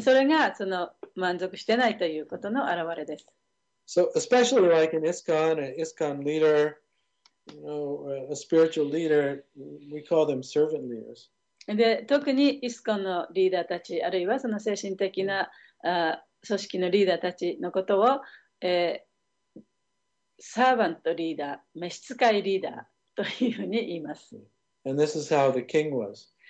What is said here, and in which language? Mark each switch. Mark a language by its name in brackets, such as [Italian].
[Japanese] それがその満足してないということの表れです。 [English] So especially like an ISKCON leader, you know, a spiritual leader, we call them servant leaders. [Japanese] で特にイスコンのリーダーたち、あるいはその精神的な、組織のリーダーたちのことを、サーヴァントリーダー、召使いリーダーというふうに言います。 [English] And this is how the king was.